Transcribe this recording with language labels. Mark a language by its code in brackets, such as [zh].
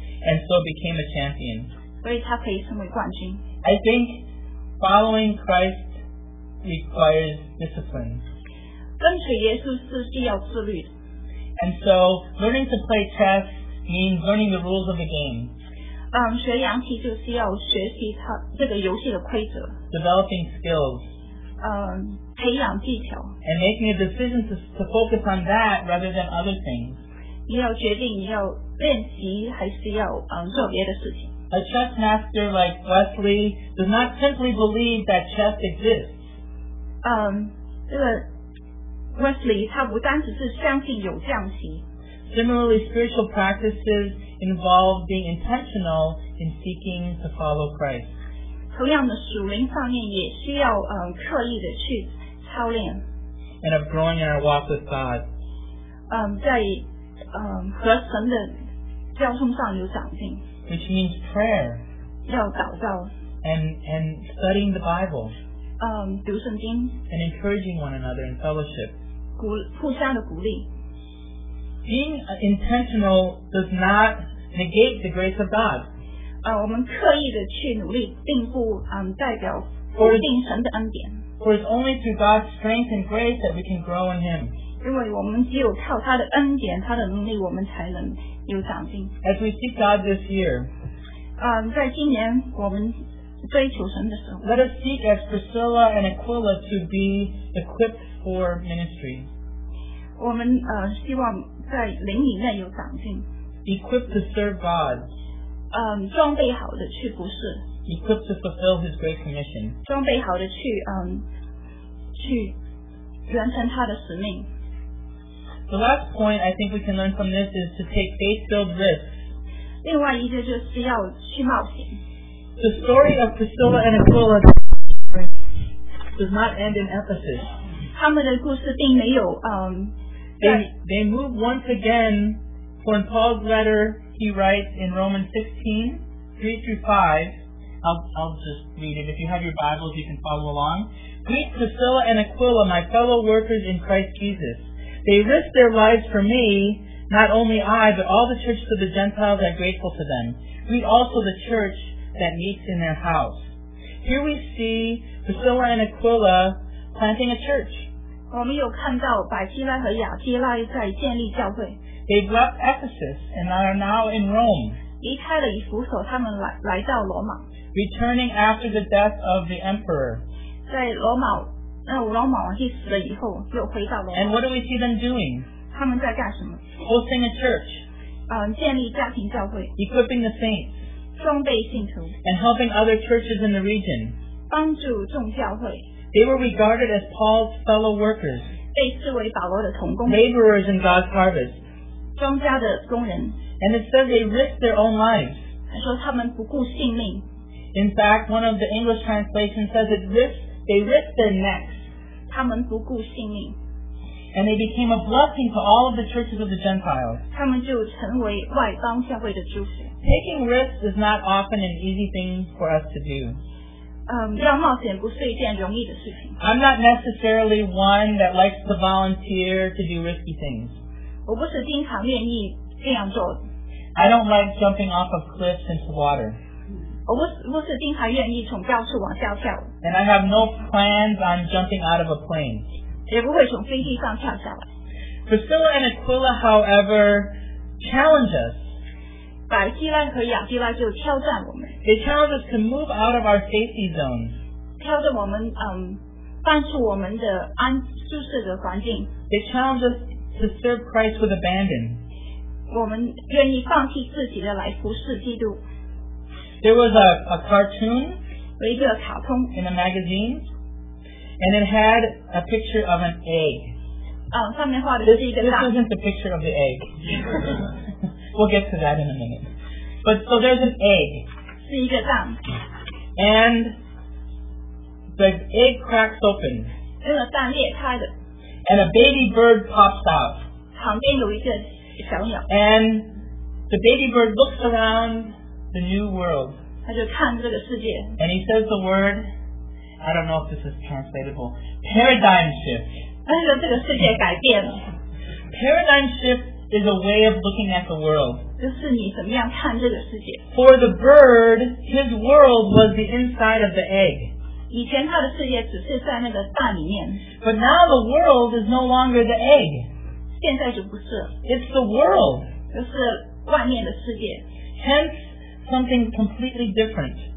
[en] And so became a champion. [zh] 所以他可以成为冠军。 [en] I think following Christ requires discipline. [zh] 跟随耶稣是需要自律。 [en] And so learning to play chess means learning the rules of the game. [zh] 学洋棋就是要学习他这个游戏的规则。 [en] Developing skills. [zh] 培养技巧 [en] and making a decision to focus on that rather than other things. [zh] 你要决定你要练习还是要做别的事情。 [en] A chess master like Wesley does not simply believe that chess exists. [zh] 这个 Wesley 他不单只是相信有象棋。 [en] Similarly, spiritual practices involve being intentional in seeking to follow Christ. [zh] 同样的属灵方面也需要刻意的去操练。 [en] And of growing in our walk with God. [zh] 在和神的交通上有长进。 [en] Which means prayer. [zh] 要祷告 [en] and studying the Bible, [zh] 读圣经 [en] and encouraging one another in fellowship, [zh] 互相的鼓励 [en] being intentional does not negate the grace of God, [zh] 我们刻意的去努力并不代表否定神的恩典 [en] for it's only through God's strength and grace that we can grow in Him. [zh] 因为我们只有靠他的恩典他的能力我们才能有长进 [en] as we seek God this year [zh] 在今年我们追求神的时候 [en] let us seek as Priscilla and Aquila to be equipped for ministry [zh] 我们希望在灵里面有长进 [en] equipped to serve God [zh] 装备好的去服事 [en] equipped to fulfill his great commission [zh] 装备好的去去完成他的使命 [en] The last point I think we can learn from this is to take faith-filled risks. [zh] 另外一个就是要去冒险。 [en] The story of Priscilla and Aquila does not end in Ephesus. [zh] 他们的故事并没有 [en] They move once again when Paul's letter he writes in Romans 16, 3-5. I'll just read it. If you have your Bibles, you can follow along. Greet Priscilla and Aquila, my fellow workers in Christ Jesus. They risked their lives for me, not only I, but all the churches of the Gentiles are grateful to them. Greet also the church that meets in their house. Here we see Priscilla and Aquila planting a church. [zh] 我们有看到百基拉和亚基拉在建立教会。 [en] They've left Ephesus and are now in Rome. [zh] 离开了以弗所，他们来到罗马。 [en] Returning after the death of the emperor. [zh] 在罗马罗马王去死了以后又回到罗马 [en] And what do we see them doing? [zh] 他们在干什么 [en] Hosting a church [zh] 建立家庭教会 [en] Equipping the saints [zh] 装备信徒 [en] And helping other churches in the region [zh] 帮助众教会 [en] They were regarded as Paul's fellow workers [zh] 被视为保罗的同工 [en] Laborers in God's harvest [zh] 庄稼的工人 [en] And it says they risked their own lives [zh] 说他们不顾性命 [en] In fact, one of the English translations says it riskedThey risked their necks. [zh] 他们不顾性命。 [en] And they became a blessing to all of the churches of the Gentiles. [zh] 他们就成为外邦教会的祝福。 [en] Taking risks is not often an easy thing for us to do. [zh] 要冒险不是一件容易的事情。 [en] I'm not necessarily one that likes to volunteer to do risky things. [zh] 我不是经常愿意这样做。 [en] I don't like jumping off of cliffs into water. [zh] 我不是经常愿意从高处往下跳。 [en] And I have no plans on jumping out of a plane. [zh] 也不会从飞机上跳下来。 [en] Priscilla and Aquila, however, challenge us. [zh] 百基拉和亚基拉就挑战我们。 [en] They challenge us to move out of our safety zone. [zh] 挑战我们搬出我们的安舒适的环境。 [en] They challenge us to serve Christ with abandon. [zh] 我们愿意放弃自己的来服侍基督。 [en] There was a cartoon [zh] 有一个卡通 [en] in a magazine, and it had a picture of an egg. [zh] 上面画的是一个蛋。 [en] This isn't the picture of the egg. We'll get to that in a minute. But so there's an egg. [zh] 是一个蛋。 [en] And the egg cracks open. [zh] 那个蛋裂开的。 [en] And a baby bird pops out. [zh] 旁边有一个小鸟。 [en] And the baby bird looks around. The new world. [zh] 他就看这个世界。 [en] And he says the word, I don't know if this is translatable, paradigm shift. [zh] 他说这个世界改变了。 [en] Paradigm shift is a way of looking at the world. [zh] 就是你怎么样看这个世界。 [en] For the bird, his world was the inside of the egg. [zh] 以前他的世界只是在那个蛋里面。 [en] But now the world is no longer the egg. [zh] 现在就不是。 [en] It's the world. [zh] 就是外面的世界。 [en] Hence,something completely different